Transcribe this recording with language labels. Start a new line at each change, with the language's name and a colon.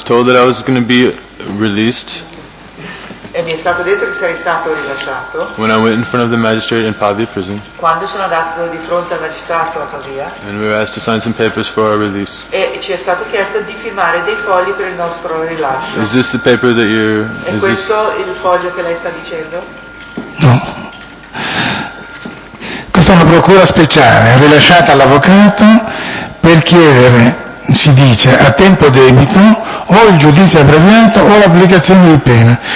English: I was told that I was going to be released.
Italian: E mi è stato detto che sarei stato rilasciato.
English: When I went in front of the magistrate in Pavia prison.
Italian: Quando sono andato di fronte al magistrato a Pavia.
English: And we were asked to sign some papers for our release.
Italian: E ci è stato chiesto di firmare dei fogli per il nostro rilascio.
English: Is this the paper that you're?
Italian: E questo il foglio che lei sta dicendo? No. Questa è una procura speciale rilasciata all'avvocato. Per chiedere, si dice, a tempo debito, o il giudizio abbreviato o l'applicazione di pena.